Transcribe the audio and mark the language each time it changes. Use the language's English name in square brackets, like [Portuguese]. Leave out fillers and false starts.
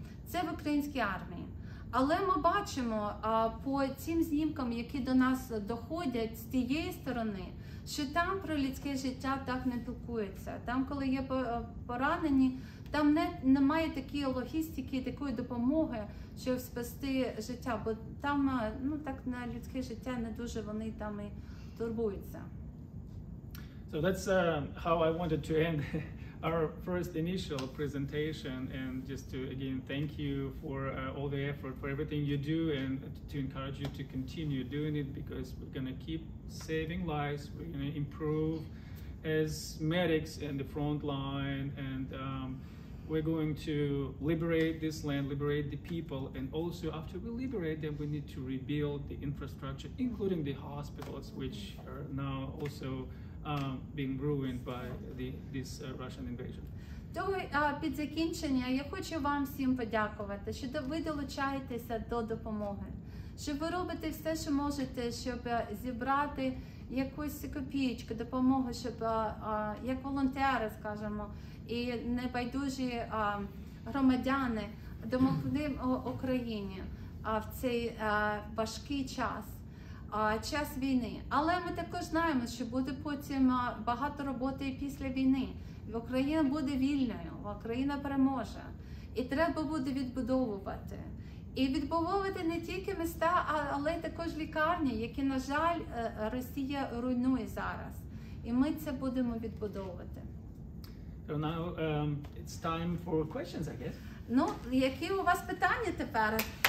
[Ukrainian] Це в українській армії. Але ми бачимо по цим знімкам, які до нас доходять з тієї сторони, що там про людське життя так не пілкується. Там, коли є поранені, там немає такої логістики, такої допомоги, щоб спасти життя, бо там, ну, так на людське життя не дуже вони там і турбуються. [English] So that's how I wanted to end our first initial presentation, and just to again thank you for all the effort, for everything you do, and to encourage you to continue doing it, because we're going to keep saving lives, we're going to improve as medics in the front line, and we're going to liberate this land, liberate the people, and also after we liberate them, we need to rebuild the infrastructure, including the hospitals, which are now also being ruined by this Russian invasion. [Ukrainian] То під закінчення я хочу вам всім подякувати, що ви долучаєтеся до допомоги, що ви робите все, що можете, щоб зібрати якусь копійку допомоги, щоб як волонтери, скажімо, і небайдужі громадяни допомогли Україні в цей важкий час. Час війни. Але ми також знаємо, що буде потім багато роботи і після війни. Україна буде вільною, Україна переможе. І треба буде відбудовувати. І відбудовувати не тільки міста, але й також лікарні, які, на жаль, Росія руйнує зараз. І ми це будемо відбудовувати. [English] So now it's time for questions, I guess. [Ukrainian] Ну, які у вас питання тепер?